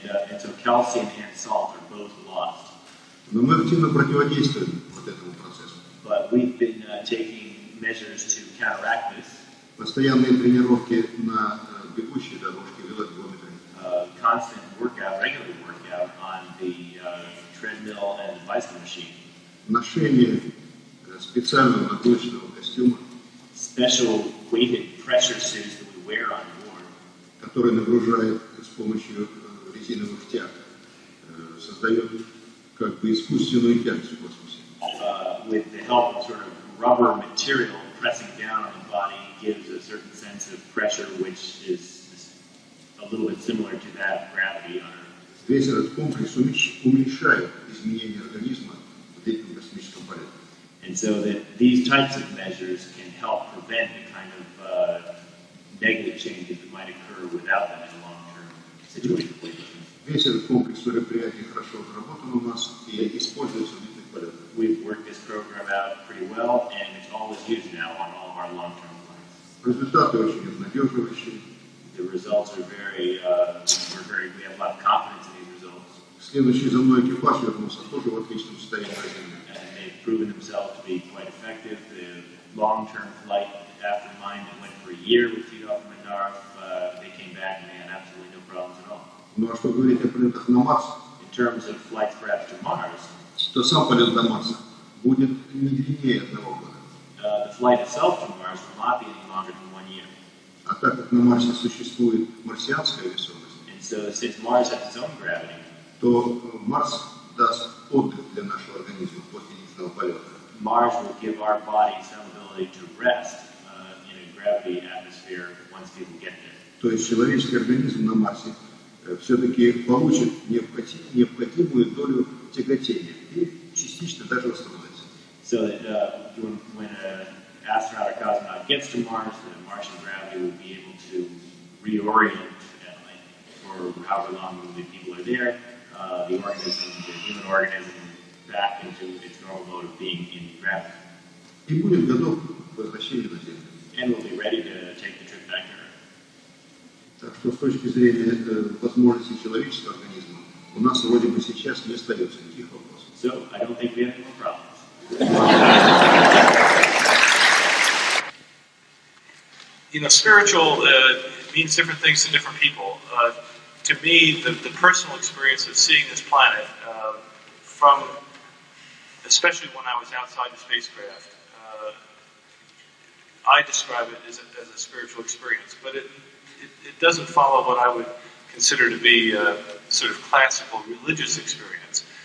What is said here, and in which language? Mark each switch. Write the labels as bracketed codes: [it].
[en] And so calcium and salt are both lost. [ru] Но мы активно противодействуем вот этому процессу. [en] But we've been taking measures to counteract this. [ru] Постоянные тренировки на бегущей дорожке, велодвометре. [en] Constant workout, regular workout on the treadmill and the bicycle machine. [ru] Ношение специального нагрузочного костюма. [en] Special weighted pressure suits that we wear on board. [ru] Которые нагружают с помощью резиновых тяг, создают как бы искусственную тяжесть в космосе. [en] With the help of sort of rubber material pressing down on the body gives a certain sense of pressure, which is a little bit similar to that of gravity on Earth. [ru] Весь этот комплекс уменьшает изменения организма в этом космическом полете. [en] And so that these types of measures can help prevent the kind of negative changes that might occur without them in a long-term situation. [ru] Весь этот комплекс мероприятий хорошо отработан у нас и используется в этих полетах. [en] We've worked this program out pretty well, and it's always used now on all of our long-term flights. [ru] Результаты очень обнадеживающие. [en] The results are very, we have a lot of confidence in these results. [ru] Следующий за мной экипаж вернулся тоже в отличном состоянии. [en] And they've proven themselves to be quite effective. The long-term flight after mine that went for a year with Tidoff and Mandarov, they came back and they had absolutely no problems at all. [ru] Ну а что говорить о полетах на Марс? [en] In terms of flights perhaps to Mars, [ru] то сам полет до Марса будет не длиннее одного года. [en] The flight itself to Mars will not be any longer than 1 year. [ru] А так как на Марсе существует марсианская весомость, [en] and so since Mars has its own gravity, [ru] то Марс даст отдых для нашего организма после длительного полета. [en] Mars will give our body some ability to rest in a gravity atmosphere once people get there. [ru] То есть человеческий организм на Марсе все-таки получит необходимую долю тяготения и частично даже восстановится. [en] So that when an astronaut or cosmonaut gets to Mars, the Martian gravity will be able to reorient for however long the people are there, the organism, the human organism, back into its normal mode of being in gravity. [ru] И будет готов к возвращению на Землю. [en] And will be ready to take the trip back to Earth. [ru] Так что с точки зрения возможностей человеческого организма, у нас вроде бы сейчас не остается никаких вопросов. [en] So, I don't think we have any more problems. You know, spiritual means different things to different people. To me, the personal experience of seeing this planet, from, especially when I was outside the spacecraft, I describe it as a spiritual experience, but it doesn't follow what I would consider to be a sort of classical religious experience.